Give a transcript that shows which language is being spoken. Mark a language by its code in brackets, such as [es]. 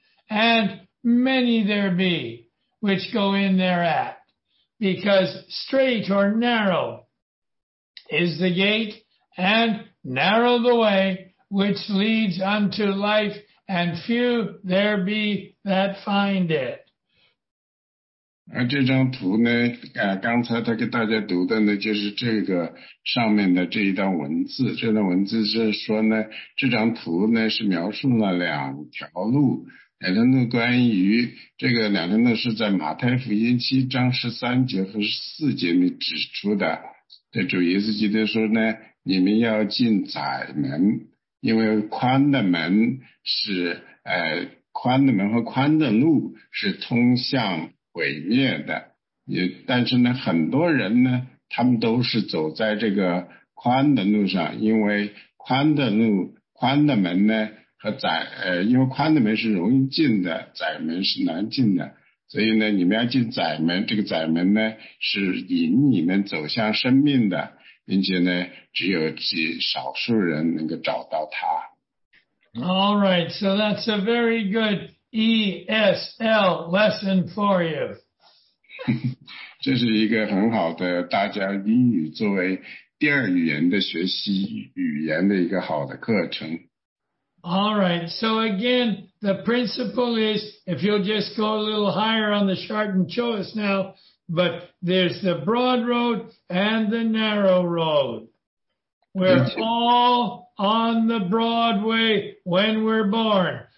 [en] And many there be which go in thereat. Because straight or narrow is the gate, and narrow the way which leads unto life, and few there be that find it. [zh] 而这张图呢，刚才他给大家读的呢，就是这个上面的这一段文字。这段文字是说呢，这张图呢是描述了两条路。两条路关于这个两条路是在马太福音七章十三节和十四节里指出的。这主耶稣基督说呢，你们要进窄门，因为宽的门是宽的门和宽的路是通向毁灭的。但是呢，很多人呢，他们都是走在这个宽的路上，因为宽的路宽的门呢。和窄因为宽的门是容易进的，窄门是难进的，所以呢，你们要进窄门，这个窄门呢是引你们走向生命的，并且呢，只有极少数人能够找到它。 [en] All right, so that's a very good ESL lesson for you. [zh] 这是一个很好的大家英语作为第二语言的学习语言的一个好的课程。 [en] All right, so again, the principle is, if you'll just go a little higher on the chart and show us now, but there's the broad road and the narrow road. We're all on the broad way when we're born.